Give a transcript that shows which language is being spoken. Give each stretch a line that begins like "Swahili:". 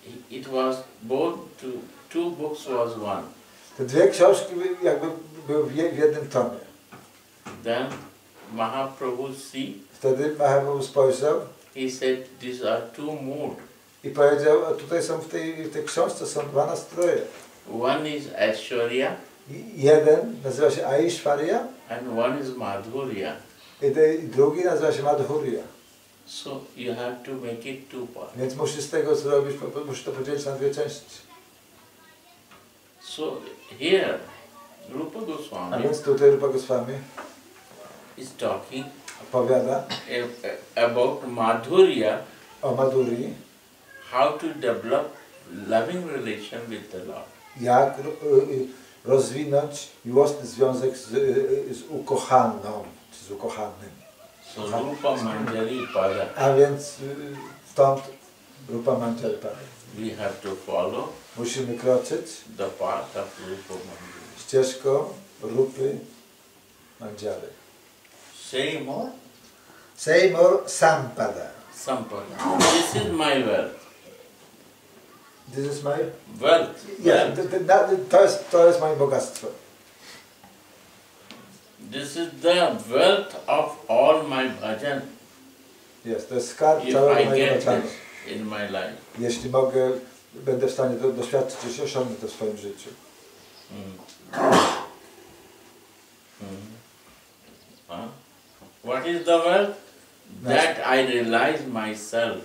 English: It was both two books was one.
Polish: Te dwie książki jakby były w jednym tomie.
English: Then Mahaprabhu see.
Polish: Wtedy Mahaprabhu spojrzał.
English: He said, "These are two moods."
Polish: I powiedział, tutaj są w tej książce są dwa nastroje.
English: One is Aishwarya.
Polish: Jeden nazywa się Aishwarya.
English: And one is Madhurya.
Polish: I drugi nazywa się Madhurya.
English: So you have to make it two parts.
Polish: Więc musisz z tego zrobić, musisz to podzielić na dwie części.
English: So here. Rupa Goswami.
Polish: A więc tutaj Rupa Goswami
English: is talking.
Polish: Opowiada
English: about Madhurya.
Polish: O Madhuri.
English: How to develop loving relation with the Lord.
Polish: Jak rozwinąć miłosny związek z ukochaną, czy z ukochanym.
English: So Rupa Manjari Pada.
Polish: A więc stąd Rupa Manjari Pada.
English: We have to follow.
Polish: Musimy kroczyć.
English: The path of Rupa Manjari.
Polish: Ścieżko Rupy Mandziary. Seymour Sampada.
English: Sampada. This is my wealth. This is my wealth. Yeah,
Polish: to jest moje bogactwo.
English: This is the wealth of all my bhajan. Yes,
Polish: to jest skarb całego mojego
English: life.
Polish: Jeśli mogę, będę w stanie doświadczyć i osiągnąć to w swoim życiu.
English: What is the wealth? That I realize myself.